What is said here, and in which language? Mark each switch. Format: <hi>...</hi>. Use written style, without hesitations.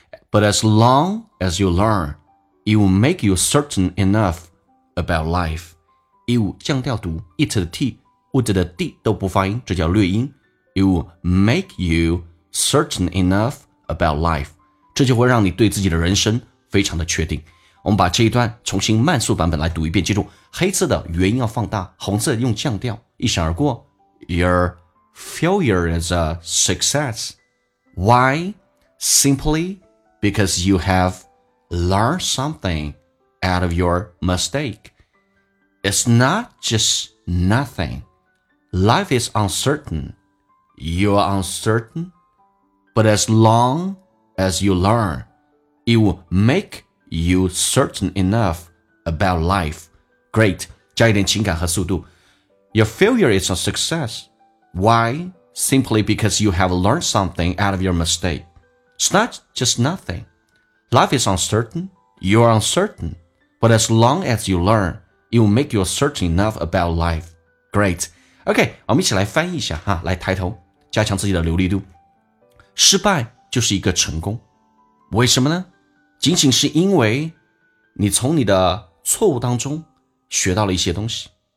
<en>but as long as you learn， it will make you certain enough about life， it will</en> <zh>降调读</zh> <en>it 的 t， would 的 d</en> <zh>都不发音，这叫略音，</zh> <en>it will make you certain enough about life，</en> <zh>这就会让你对自己的人生非常的确定。我们把这一段重新慢速版本来读一遍，记住黑色的元音要放大，红色用降调，一闪而过。</zh> <en>Your failure is a success. Why? Simply because you have learned something out of your mistake. It's not just nothing. Life is uncertain. You are uncertain. But as longAs you learn, it will make you certain enough about life. Great,</en> <zh>加一点情感和速度。</zh> <en>Your failure is a success. Why? Simply because you have learned something out of your mistake. It's not just nothing. Life is uncertain. You are uncertain. But as long as you learn, it will make you certain enough about life. Great.</en> <zh>Okay, 我们一起来翻译一下哈，来抬头，加强自己的流利度。失败就是一个成功，为什么呢？仅仅是因为你从你的错误当中学到了一些东西。</zh>